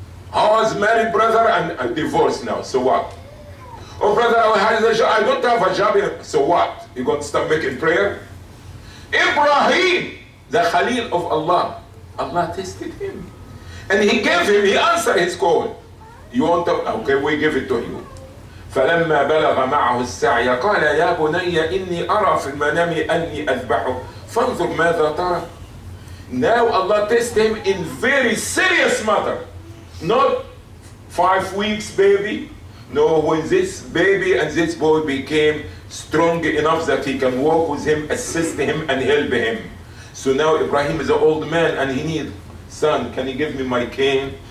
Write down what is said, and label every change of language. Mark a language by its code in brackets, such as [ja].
[en] How is married brother and a divorce now? So what? Oh brother, I don't have a job here. So what? You going to stop making prayer? Ibrahim, the Khalil of Allah. Allah tested him. And he gave him, he answered his call. You want to, okay, we give it to you. [ar] فلما بلغ معه السعي قال يا بني إني أرى في المنام أني أذبحه فانظر ماذا ترى. [en] Now Allah tests him in very serious matter. Not 5 weeks baby. No, when this baby and this boy became strong enough that he can walk with him, assist him and help him. So now Ibrahim is an old man and he needs, son, can you give me my cane?